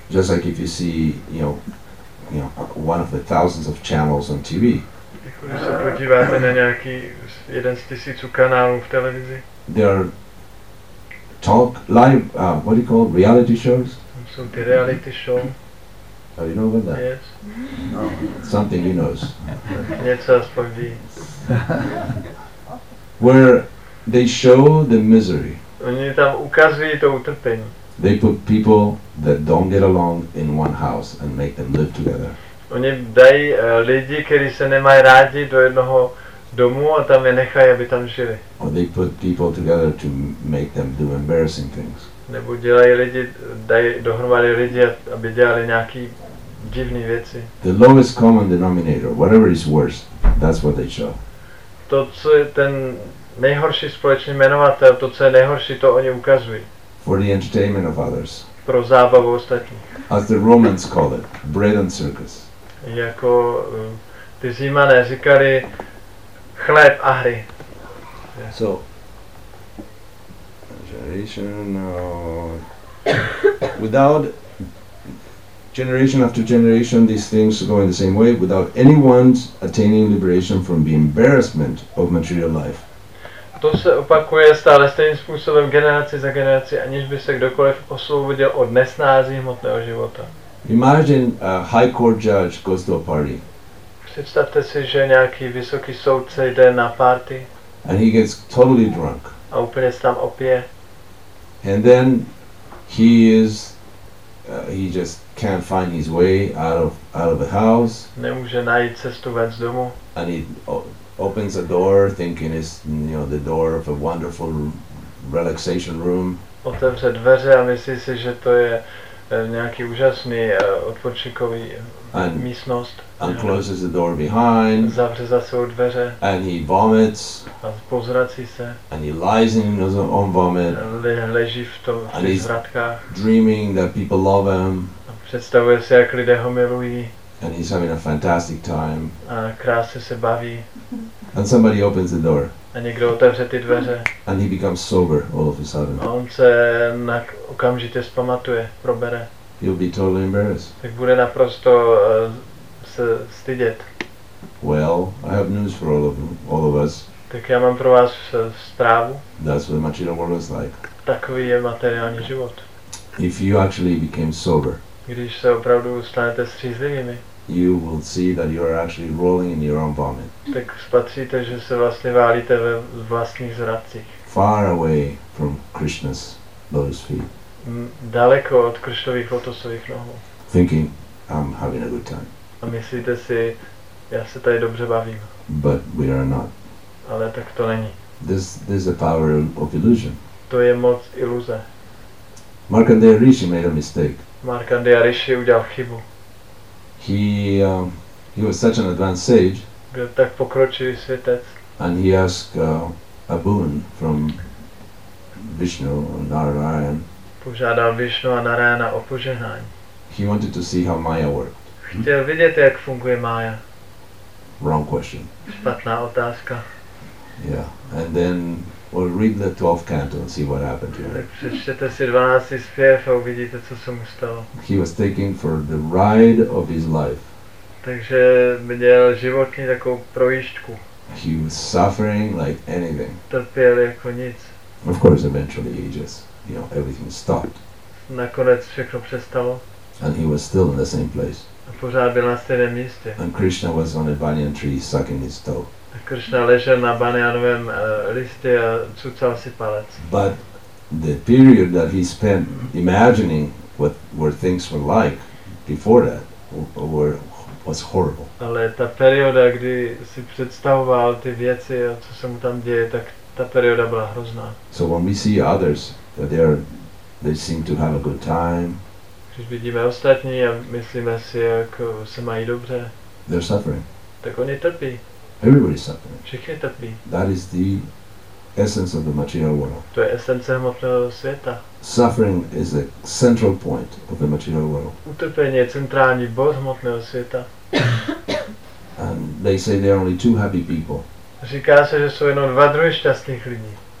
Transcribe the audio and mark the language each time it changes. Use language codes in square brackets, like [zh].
[en] Just like if you see, you know, one of the thousands of channels on TV. [cs] Když se podíváte na nějaký jeden z tisíců kanálů v televizi. [en] There are talk live. What do you call reality shows? [cs] Jsou ty reality show. [en] Do you know about that? Yes. No. Something he knows. [cs] Něco aspoň ví. [en] Where they show the misery. [cs] Oni tam ukazují to utrpení. [en] They put people that don't get along in one house and make them live together. [cs] Oni dají lidi, kteří se nemají rádi, do jednoho domu a tam je nechají, aby tam žili. [en] Or they put people together to make them do embarrassing things. [cs] Nebo dělají lidi, dají dohromady lidi, aby dělali nějaký divné věci. [en] The lowest common denominator, whatever is worse, that's what they show. [cs] To, co je ten nejhorší společný jmenovatel, to, co je nejhorší, to oni ukazují. [en] For the entertainment of others. [cs] Pro zábavu ostatních. [en] As the Romans call it, bread and circus. [cs] Jako ty Římané říkali chléb a hry. [en] Yeah. So, generation, without generation after generation, these things go in the same way, without anyone attaining liberation from the embarrassment of material life. [cs] To se opakuje stále stejným způsobem generaci za generaci, aniž by se kdokoliv osvobodil od nesnází hmotného života. [en] Imagine a high court judge goes to a party. [cs] Představte si, že nějaký vysoký soudce jde na party. [en] And he gets totally drunk. [cs] A úplně se tam opije. [en] And then he just can't find his way out of the house. [cs] Nemůže najít cestu ven z domu. [en] And he opens a door thinking it's, you know, the door of a wonderful relaxation room. [cs] Otevře dveře a myslí si, že to je nějaký úžasný odpočinkový místnost. [en] And closes the door behind. [cs] Zavře za sebou dveře. [en] And he vomits. [cs] A pozrací se. [en] And he lies in his own vomit. [cs] Leží v tom, v těch zvratkách. [en] Dreaming that people love him. [cs] A představuje si, jak lidé ho milují. [en] And he's having a fantastic time. [cs] A krásně se baví. [en] And somebody opens the door. [cs] A někdo otevře ty dveře. [en] And he becomes sober all of a sudden. [cs] A on se okamžitě zpamatuje, probere. [en] He'll be totally embarrassed. [cs] Tak bude naprosto se stydět. [en] Well, I have news for all of us. [cs] Tak já mám pro vás zprávu. [en] That's what material world is like. [cs] Takový je materiální život. [en] If you actually became sober. [cs] Když se opravdu stanete střízlivými. [en] You will see that you are actually rolling in your own vomit. [cs] Tak spatříte, že se vlastně válíte ve vlastních zradcích. [en] Far away from Krishna's lotus feet. [cs] Daleko od Krishnových lotosových nohů. [en] Thinking, I'm having a good time. [cs] A myslíte si, já se tady dobře bavím. [en] But we are not. [cs] Ale tak to není. [en] This is the power of illusion. [cs] To je moc iluze. [en] Markandeya Rishi made a mistake. [cs] Markandeya Rishi udělal chybu. [en] He was such an advanced sage. [cs] Byl tak pokročilý světec. [en] And he asked a boon from Vishnu and Narayan. [cs] Požádal Vishnu a Narayana o požehnání. [en] He wanted to see how Maya worked. [cs] Chtěl vidět, jak funguje Maya. [en] Wrong question. [cs] Špatná otázka. [en] Yeah, and then we'll read the 12th canto and see what happened to him. [cs] Přečtěte si 12. zpěv a uvidíte, co se mu stalo. [en] He was taken for the ride of his life. [cs] Takže měl životní takovou projížďku. [en] He was suffering like anything. [cs] Trpěl jako nic. [en] Of course, eventually he just, you know, everything stopped. [cs] Nakonec všechno přestalo. [en] And he was still in the same place. [cs] A pořád byl na stejném místě. [en] And Krishna was on a banyan tree sucking his toe. [cs] Krishna ležel na banyanovém listě a cucal si palec. [en] But the period that he spent imagining what things were like before that was horrible. [cs] Ale ta perioda, kdy si představoval ty věci a co se mu tam děje, tak ta perioda byla hrozná. [en] So when we see others that they seem to have a good time. [cs] Když vidíme ostatní a myslíme si, jak se mají dobře. [en] They're suffering. [cs] Tak oni trpí. [en] Everybody's suffering. [cs] Všichni trpí. [en] That is the essence of the material world. [cs] To je esence hmotného světa. [en] Suffering is a central point of the material world. [cs] Utrpení je centrální bod hmotného světa. [en] And they say there are only two happy people. [cs] Říká se, že jsou jenom dva druhy šťastných lidí.